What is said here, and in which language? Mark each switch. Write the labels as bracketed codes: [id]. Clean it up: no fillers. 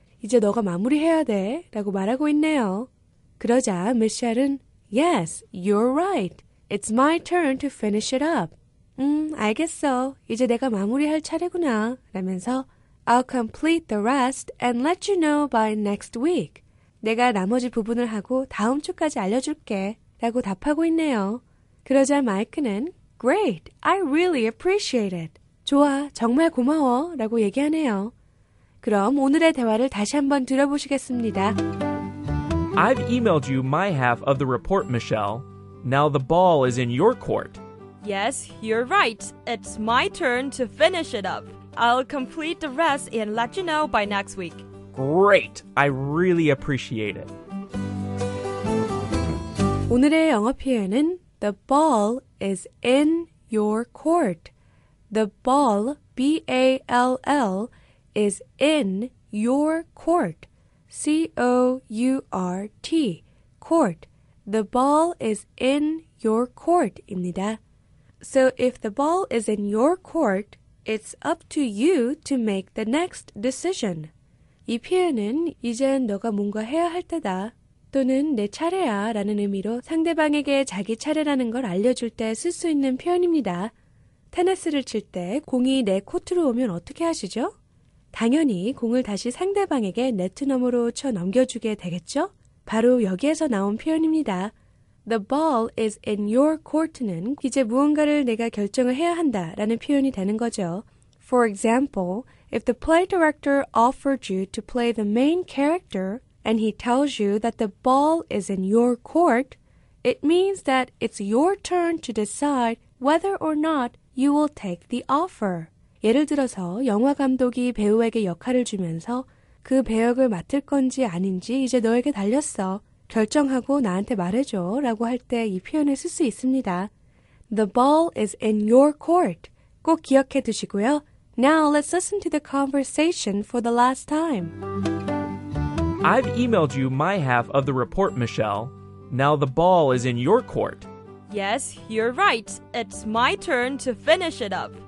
[ko] 이제 너가 마무리해야 돼 라고 말하고 있네요. 그러자 미셸은 [en] Yes, you're right. It's my turn to finish it up. [ko] 알겠어. 이제 내가 마무리할 차례구나. [en] 라면서 I'll complete the rest and let you know by next week. [ko] 내가 나머지 부분을 하고 다음 주까지 알려줄게. 라고 답하고 있네요. 그러자 마이크는 [en] Great! I really appreciate it. [ko] 좋아. 정말 고마워. 라고 얘기하네요. 그럼 오늘의 대화를 다시 한번 들어보시겠습니다. [en] I've emailed you my half of the report, Michelle. Now the ball is in your court. Yes, you're right. It's my turn to finish it up. I'll complete the rest and let you know by next week. Great! I really appreciate it. [ko] 오늘의 영어 표현은 [en] The ball is in your court. The ball, B-A-L-L, is in your court. C-O-U-R-T, court. The ball is in your court입니다. So if the ball is in your court, it's up to you to make the next decision. [ko] 이 표현은 이젠 너가 뭔가 해야 할 때다 또는 내 차례야 라는 의미로 상대방에게 자기 차례라는 걸 알려줄 때 쓸 수 있는 표현입니다. 테니스를 칠 때 공이 내 코트로 오면 어떻게 하시죠? 당연히 공을 다시 상대방에게 네트 너머로 쳐 넘겨주게 되겠죠? 바로 여기에서 나온 표현입니다. [en] The ball is in your court [ko] 는 이제 무언가를 내가 결정을 해야 한다라는 표현이 되는 거죠. [en] For example, if the play director offered you to play the main character and he tells you that the ball is in your court, it means that it's your turn to decide whether or not you will take the offer. [ko] 예를 들어서 영화 감독이 배우에게 역할을 주면서 그 배역을 맡을 건지 아닌지 이제 너에게 달렸어. 결정하고 나한테 말해줘 라고 할 때 이 표현을 쓸 수 있습니다. [en] The ball is in your court. [ko] 꼭 기억해 두시고요. [en] Now let's listen to the conversation for the last time. I've emailed you my half of the report, Michelle. Now the ball is in your court. Yes, you're right. It's my turn to finish it up.